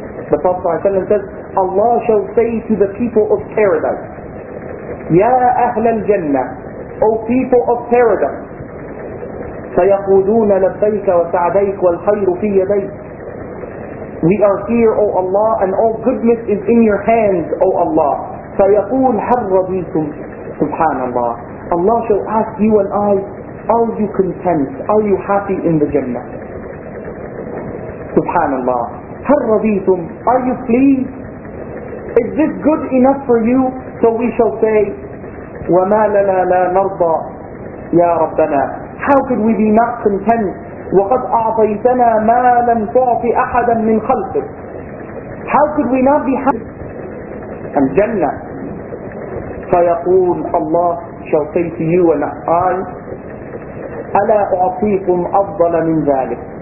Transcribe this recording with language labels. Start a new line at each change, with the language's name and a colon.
English: The Prophet sallallahu alayhi wa sallam says, Allah shall say to the people of paradise, Ya أهل الجنة, O people of paradise,
Arabic: سيقولون لبيك وسعديك والخير في يديك.
English: We are here, O Allah, and all goodness is in your hands, O Allah.
Arabic: سيقول هل رضيتم سبحان الله.
English: Allah shall ask you and I, are you content? Are you happy in the Jannah?
Arabic: سبحان الله. هل رضيتم?
English: Are you pleased? Is this good enough for you? So we shall say,
Arabic: وَمَا لَنَا لَا نَرْضَى يَا رَبَّنَا.
English: How could we be not content?
Arabic: وَقَدْ أَعْطَيْتَنَا مَا لَمْ تُعْطِ أَحَدًا مِنْ خَلْقِكَ.
English: How could we not be happy? And Jannah.
Arabic: فَيَقُولْ
English: Allah shall say to you and I,
Arabic: أَلَا أُعْطِيكُمْ أَفْضَلَ مِنْ ذَلِكَ.